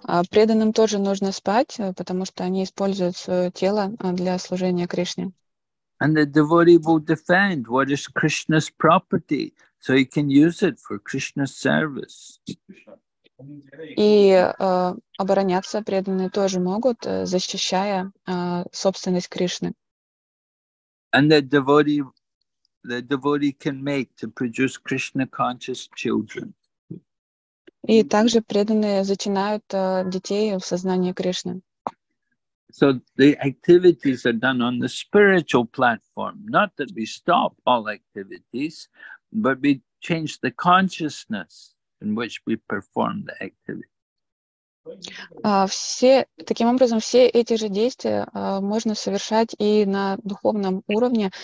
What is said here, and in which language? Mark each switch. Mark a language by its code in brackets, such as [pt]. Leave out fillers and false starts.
[ru] Преданным тоже нужно спать, потому что они используют свое тело для служения Кришне. [en] And the devotee will defend what is Krishna's property, so he can use it for Krishna's service. [ru] И обороняться преданные тоже могут, защищая собственность Кришны. [en] And the devotee can make to produce Krishna conscious children. [ru] И также преданные зачинают детей в сознании Кришны. [en] So the activities are done on the spiritual platform. Not that we stop all activities, but we change the consciousness in which we perform the activity. [ru] Таким образом, все эти же действия можно совершать и на духовном уровне.